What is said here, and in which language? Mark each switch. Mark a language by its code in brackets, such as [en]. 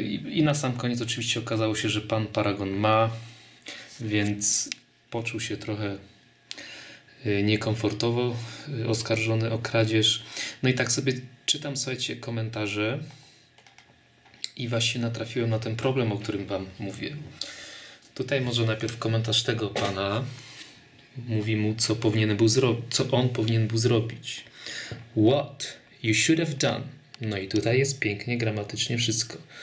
[pl] I na sam koniec oczywiście okazało się, że pan paragon ma, więc poczuł się trochę niekomfortowo oskarżony o kradzież. No i tak sobie czytam, słuchajcie, komentarze i właśnie natrafiłem na ten problem, o którym Wam mówię. Tutaj może najpierw komentarz tego pana. Mówi mu, co on powinien był zrobić. [en] What you should have done. [pl] No i tutaj jest pięknie gramatycznie wszystko.